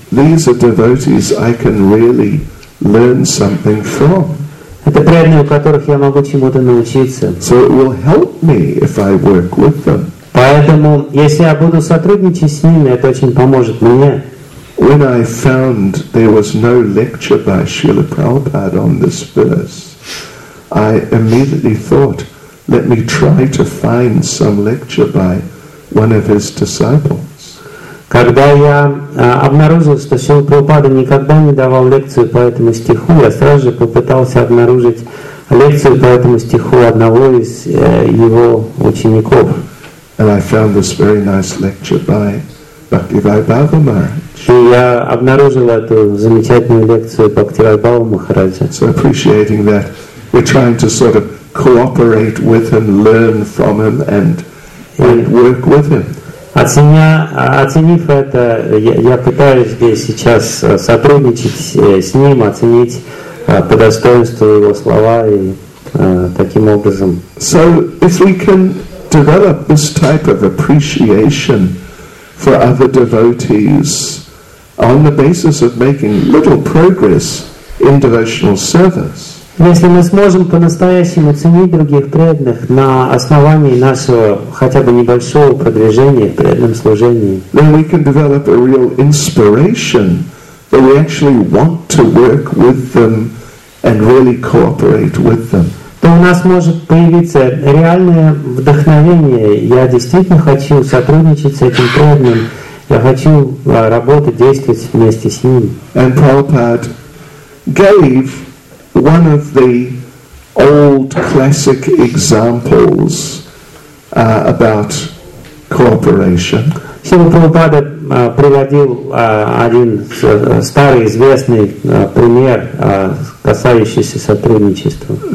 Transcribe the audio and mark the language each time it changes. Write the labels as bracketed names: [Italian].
[English] These are devotees I can really learn something from. [Russian] Это преданные, у которых я могу чему-то научиться. [English] So it will help me if I work with them. [Russian] Поэтому, если я буду сотрудничать с ними, это очень поможет мне. [English] When I found there was no lecture by Srila Prabhupada on this verse, I immediately thought, let me try to find some lecture by one of his disciples. [Russian] Когда я обнаружил, что Шрила Прабхупада никогда не давал лекцию по этому стиху, я сразу же попытался обнаружить лекцию по этому стиху одного из его учеников. [English] And I found this very nice lecture by Bhaktivai Bhava Maharaj. [Russian] И я обнаружил эту замечательную лекцию Бхактивай Бхава Махараджа. [English] So appreciating that, we're trying to sort of cooperate with him, learn from him, and work with him. [Russian] Оценив это, я пытаюсь здесь сейчас сотрудничать с ним, оценить по достоинству его слова и таким образом. [English] So if we can develop this type of appreciation for other devotees on the basis of making little progress in devotional service. [Russian] Если мы сможем по-настоящему ценить других преданных на основании нашего хотя бы небольшого продвижения в преданном служении, [English] then we can develop a real inspiration that we actually want to work with them and really cooperate with them. [Russian] То у нас может появиться реальное вдохновение. Я действительно хочу сотрудничать с этим преданным. Я хочу работать, действовать вместе с ним. [English] And Prabhupada gave one of the old classic examples about cooperation. [Russian] Шрила Прабхупада приводил один старый известный пример, касающийся сотрудничества.